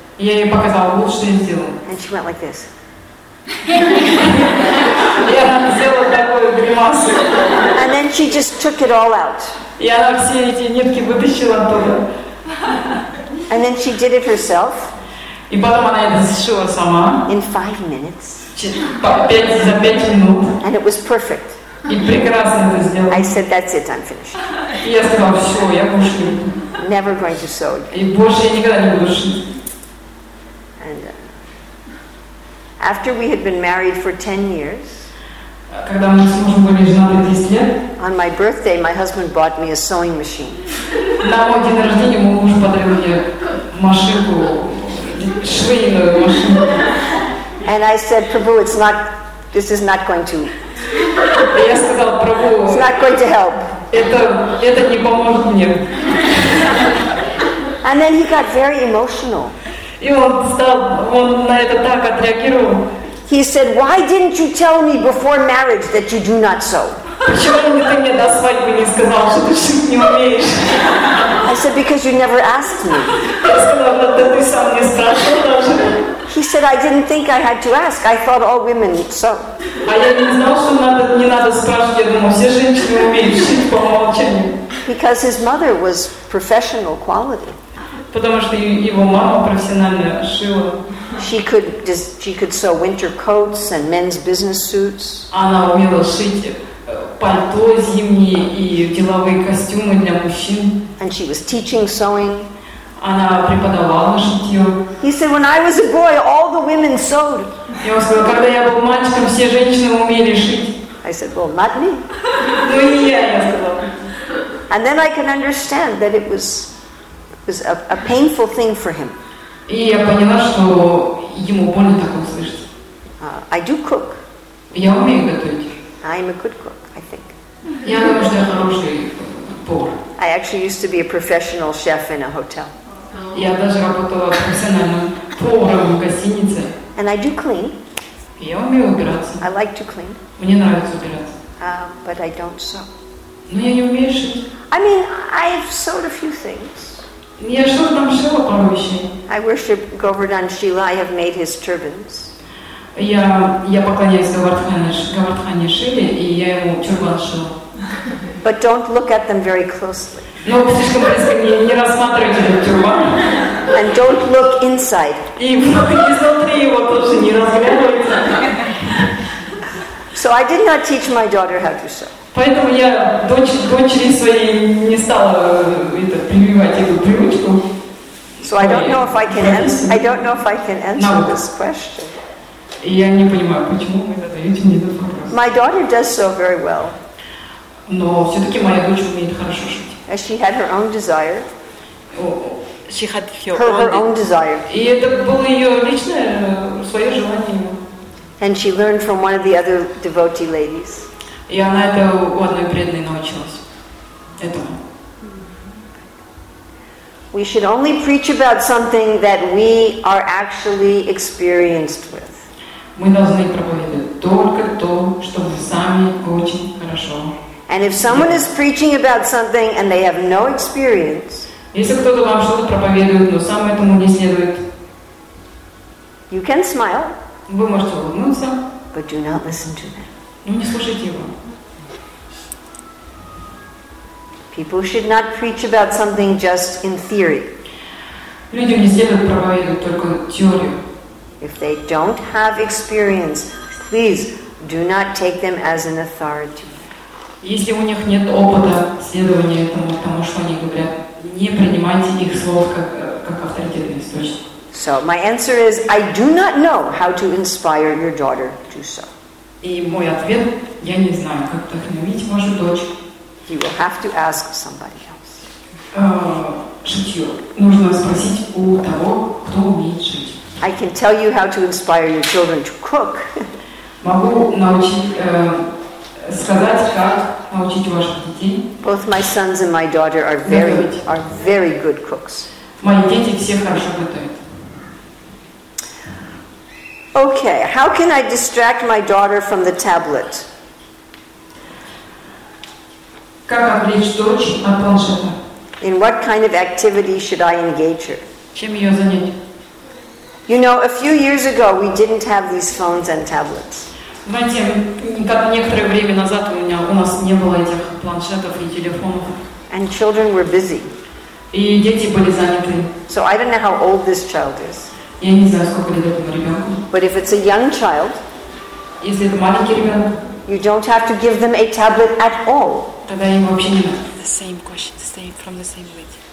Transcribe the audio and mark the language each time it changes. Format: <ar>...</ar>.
<ru>И я ей показала, вот что я сделала.</ru> <en>And she went like this.</en> <ru>И она сделала такую гримасу.</ru> <en>And then she just took it all out.</en> <ru>И она все эти нитки вытащила оттуда.</ru> <en>And then she did it herself.</en> <ru>И потом она это сшила сама.</ru> <en>In 5 minutes.</en> <ru>За 5 минут.</ru> <en>And it was perfect.</en> <ru>И прекрасно это сделала.</ru> <en>I said, that's it, I'm finished.</en> <ru>И я сказала, все, я кушаю.</ru> <en>Never going to sew again.</en> <ru>И больше я никогда не буду шить.</ru> <en>And after we had been married for 10 years,</en> <ru>когда мы с мужем были женаты 10 лет,</ru> <en>on my birthday, my husband bought me a sewing machine.</en> <ru>На мой день рождения мой муж подарил мне машинку, швейную машину.</ru> <en>And I said, Prabhu, it's not, this is not going to.</en> <ru>Я сказал, Прабху,</ru> <en>it's not going to help.</en> <ru>Это не поможет мне.</ru> <en>And then he got very emotional.</en> <ru>И он на это так отреагировал.</ru> <en>He said, why didn't you tell me before marriage that you do not sew?</en> <ru>Почему ты мне до свадьбы не сказал, что ты шить не умеешь?</ru> <en>I said, because you never asked me.</en> <ru>Я сказала, да ты сам не спрашивал даже.</ru> <en>He said, I didn't think I had to ask. I thought all women sew.</en> <ru>А я не знал, что не надо спрашивать. Я думал, все женщины умеют шить по умолчанию.</ru> <en>Because his mother was professional quality.</en> <ru>Потому что его мама профессионально шила.</ru> <en>She could sew winter coats and men's business suits.</en> <ru>Она умела шить пальто зимнее и деловые костюмы для мужчин.</ru> <en>And she was teaching sewing.</en> <ru>Она преподавала шитье.</ru> <en>He said, when I was a boy, all the women sewed.</en> <ru>Я вам сказала, когда я был мальчиком, все женщины умели шить.</ru> <en>I said, well, not me.</en> <ru>Ну не я, я сказала.</ru> <en>And then I can understand that it was a painful thing for him.</en> <ru>И я поняла, что ему больно так услышать.</ru> <en>I do cook.</en> <ru>Я умею готовить.</ru> <en>I'm a good cook, I think.</en> <ru>Я думаю, что я хороший повар.</ru> <en>I actually used to be a professional chef in a hotel.</en> <ru>Я даже работала профессиональным поваром в гостинице.</ru> <en>And I do clean.</en> <ru>Я умею убираться.</ru> <en>I like to clean.</en> <ru>Мне нравится убираться.</ru> <en>But I don't sew.</en> <ru>Но я не умею шить.</ru> <en>I mean, I've sewed a few things.</en> <ru>Я что-то там шила пару вещей.</ru> <en>I worship Govardhan Shila. I have made his turbans.</en> <ru>Я поклоняюсь Говардхане Шиле, и я ему тюрбан шила.</ru> <en>But don't look at them very closely.</en> <ru>Но слишком близко не рассматривайте этот тюрбан.</ru> <en>And don't look inside.</en> <ru>И изнутри его тоже не разглядывайте.</ru> <en>So I did not teach my daughter how to sew.</en> <ru>Поэтому я дочери своей не стала прививать эту привычку.</ru> <en>So I don't know if I can answer. I don't know if I can answer this question.</en> <ru>Я не понимаю, почему вы задаете мне этот вопрос.</ru> <en>My daughter does sew very well.</en> <ru>Но все-таки моя дочь умеет хорошо шить.</ru> <en>And she had her own desire. Oh, she had her own desire.</en> <ru>И это было ее личное, свое желание.</ru> <en>And she learned from one of the other devotee ladies.</en> <ru>И она это у одной преданной научилась. Этому.</ru> <en>We should only preach about something that we are actually experienced with.</en> <ru>Мы должны проповедовать только то, что мы сами очень хорошо.</ru> <en>And if someone is preaching about something and they have no experience,</en> <ru>если кто-то вам что-то проповедует, но сам этому не следует,</ru> <en>you can smile,</en> <ru>вы можете улыбнуться,</ru> <en>but do not listen to them.</en> <ru>Но не слушайте его.</ru> <en>People should not preach about something just in theory.</en> <ru>Людям не следует проповедовать только теорию.</ru> <en>If they don't have experience, please do not take them as an authority.</en> <ru>Если у них нет опыта следования этому, тому, что они говорят, не принимайте их слов как авторитетный источник.</ru> <en>So my answer is, I do not know how to inspire your daughter to sew.</en> <ru>И мой ответ, я не знаю, как вдохновить вашу дочь.</ru> <en>You will have to ask somebody else.</en> <ru>Шитье. Нужно спросить у того, кто умеет шить.</ru> <en>I can tell you how to inspire your children to cook.</en> <ru>Могу научить... Сказать, как научить ваших детей.</ru> <en>Both my sons and my daughter are very good cooks.</en> <ru>Мои дети все хорошо готовят.</ru> <en>Okay, how can I distract my daughter from the tablet?</en> <ru>Как отвлечь дочь от планшета?</ru> <en>In what kind of activity should I engage her?</en> <ru>Чем ее занять?</ru> <en>You know, a few years ago we didn't have these phones and tablets.</en> <ru>Знаете, как некоторое время назад у нас не было этих планшетов и телефонов.</ru> <en>And children were busy.</en> <ru>И дети были заняты.</ru> <en>So I don't know how old this child is.</en> <ru>Я не знаю, сколько лет этому ребенку.</ru> <en>But if it's a young child,</en> <ru>если это маленький ребенок,</ru> <en>you don't have to give them a tablet at all.</en> <ru>Тогда им вообще не надо.</ru> <en>The same question, from the same lady.</en>